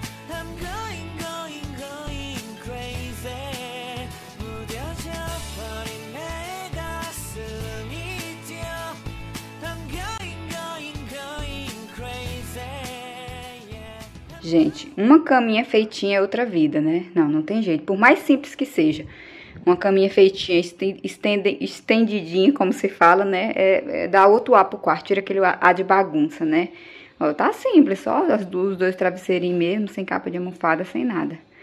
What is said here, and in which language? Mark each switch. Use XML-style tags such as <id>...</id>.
<en>I'm going, going, going crazy.</en> <ko>무뎌져버린 내 가슴이 뛰어.</ko> <en>I'm going, going, going crazy.</en> <pt>Gente, uma caminha feitinha é outra vida, né? Não, não tem jeito. Por mais simples que seja. Uma caminha feitinha, estendidinha, como se fala, né? Dá outro ar pro quarto, tira aquele ar de bagunça, né? Ó, tá simples, só os dois travesseirinhos mesmo, sem capa de almofada, sem nada.</pt>